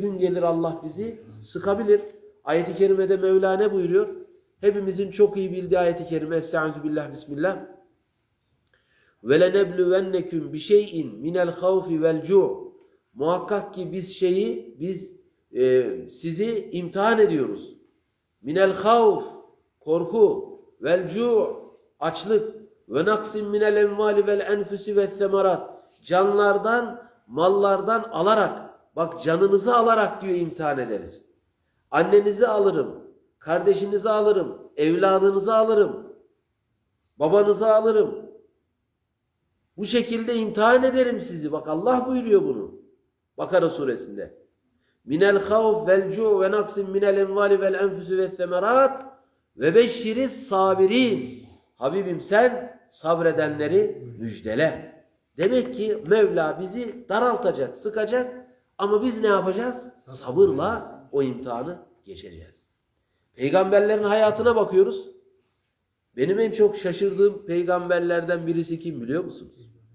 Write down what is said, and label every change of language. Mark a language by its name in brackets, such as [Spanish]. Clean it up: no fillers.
[Turkish] Gün gelir Allah bizi sıkabilir. Ayet-i kerimede Mevla ne buyuruyor? Hepimizin çok iyi bildiği ayet-i kerime. Estaizu billah, bismillah. [Arabic] وَلَنَبْلُوَنَّكُمْ بِشَيْءٍ مِنَ الْخَوْفِ وَالْجُوعِ [Turkish] Muhakkak ki biz sizi imtihan ediyoruz. [Arabic] مِنَ الْخَوْفِ [Turkish] Korku. [Arabic] وَالْجُوعِ [Turkish] Açlık. [Arabic] وَنَقْسِمْ مِنَ الْاَمْوَالِ وَالْاَنْفُسِ وَالْثَمَرَاتِ [Turkish] Canlardan, mallardan alarak, bak canınızı alarak diyor imtihan ederiz. Annenizi alırım, kardeşinizi alırım, evladınızı alırım, babanızı alırım. Bu şekilde imtihan ederim sizi. Bak Allah buyuruyor bunu. Bakara suresinde. [Arabic] مِنَ الْخَوْفِ وَالْجُوعِ وَنَقْسِمْ مِنَ الْاَمْوَالِ وَالْاَنْفُسِ وَالْثَمَرَاتِ وَبَشِّرِ الصَّابِرِينَ [Turkish] Habibim sen sabredenleri müjdele. Demek ki Mevla bizi daraltacak, sıkacak ama biz ne yapacağız? Sabırla o imtihanı geçeceğiz. Peygamberlerin hayatına bakıyoruz. Benim en çok şaşırdığım peygamberlerden birisi kim biliyor musunuz?